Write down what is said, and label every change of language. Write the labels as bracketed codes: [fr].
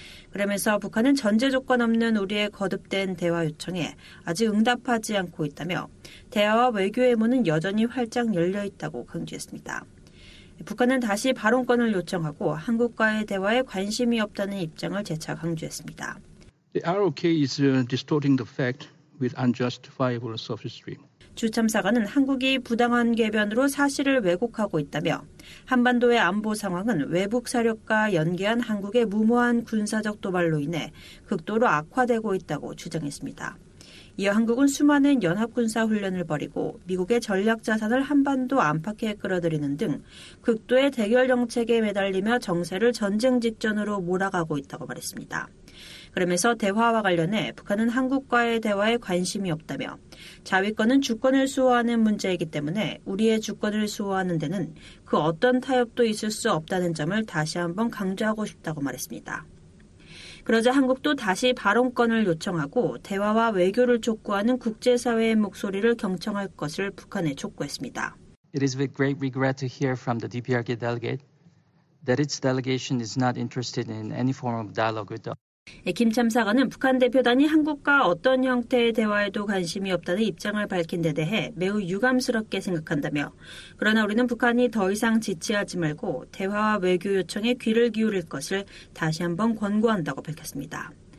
[ko] 그러면서 북한은 전제 조건 없는 우리의 거듭된 대화 요청에 아직 응답하지 않고 있다며 대화와 외교의 문은 여전히 활짝 열려 있다고 강조했습니다. 북한은 다시 발언권을 요청하고 한국과의 대화에 관심이 없다는 입장을 재차 강조했습니다. [en] The ROK is distorting the fact with unjustifiable sophistry. [ko] 주 참사관은 한국이 부당한 궤변으로 사실을 왜곡하고 있다며 한반도의 안보 상황은 외북 사력과 연계한 한국의 무모한 군사적 도발로 인해 극도로 악화되고 있다고 주장했습니다. 이어 한국은 수많은 연합군사 훈련을 벌이고 미국의 전략 자산을 한반도 안팎에 끌어들이는 등 극도의 대결 정책에 매달리며 정세를 전쟁 직전으로 몰아가고 있다고 말했습니다. 그러면서 대화와 관련해 북한은 한국과의 대화에 관심이 없다며 자위권은 주권을 수호하는 문제이기 때문에 우리의 주권을 수호하는 데는 그 어떤 타협도 있을 수 없다는 점을 다시 한번 강조하고 싶다고 말했습니다. 그러자 한국도 다시 발언권을 요청하고 대화와 외교를 촉구하는 국제사회의 목소리를 경청할 것을 북한에 촉구했습니다. [en] It is with great regret to hear from the DPRK delegate that its delegation is not interested in any form of dialogue with the [ko] 김 참사관은 북한 대표단이 한국과 어떤 형태의 대화에도 관심이 없다는 입장을 밝힌 데 대해 매우 유감스럽게 생각한다며 그러나 우리는 북한이 더 이상 지치하지 말고 대화와 외교 요청에 귀를 기울일 것을 다시 한번 권고한다고 밝혔습니다.